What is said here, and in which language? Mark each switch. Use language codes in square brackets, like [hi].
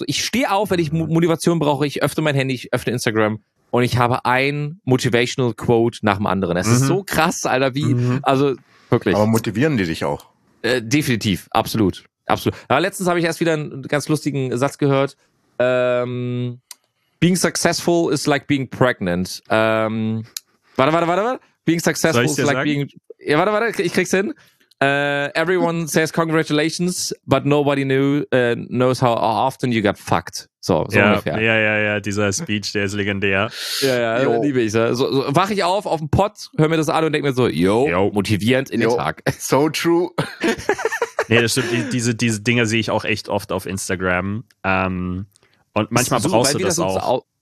[de] So, ich stehe auf, wenn ich Motivation brauche, ich öffne mein Handy, ich öffne Instagram und ich habe ein Motivational Quote nach dem anderen. Es ist so krass, Alter, also wirklich. Aber motivieren die dich auch? Definitiv, absolut. Absolut. Aber letztens habe ich erst wieder einen ganz lustigen Satz gehört. [en] Being successful is like being pregnant. [de] Warte. [en] Being successful is like being... [de] Ja, warte, ich krieg's hin. [en] Everyone says congratulations, but nobody knows how often you got fucked. [de] So ungefähr. Ja, dieser Speech, der ist legendär. Ja, liebe ich. So wache ich auf dem Pott, höre mir das an und denke mir so, motivierend in den Tag. [en] So true. [de] Nee, das stimmt. Diese Dinger sehe ich auch echt oft auf Instagram. Und manchmal brauchst du das auch.